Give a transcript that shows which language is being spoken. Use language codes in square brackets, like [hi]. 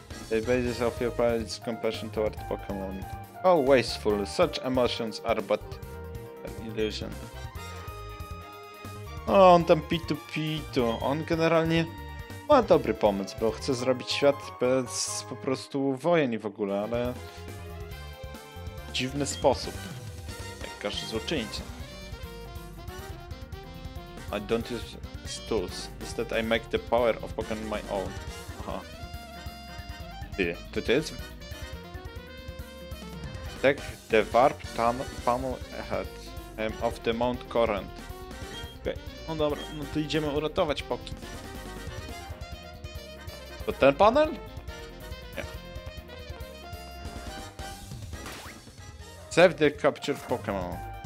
[en] They basis of your parents' compassion toward Pokémon. Oh, wasteful. Such emotions are but an illusion. [pl] O, on tam pitu. On generalnie ma dobry pomysł, bo chce zrobić świat bez po prostu wojen i w ogóle, ale... w dziwny sposób. Jak każdy złoczyńca. [en] I don't use tools. Instead I make the power of Pokémon my own. Aha. [pl] Ty, to ty jest? [en] Take the warp panel ahead of the Mount Current. [pl] Okej, okay. No dobra, no to idziemy uratować Poki. To ten panel? Nie. [en] Save the captured Pokémon.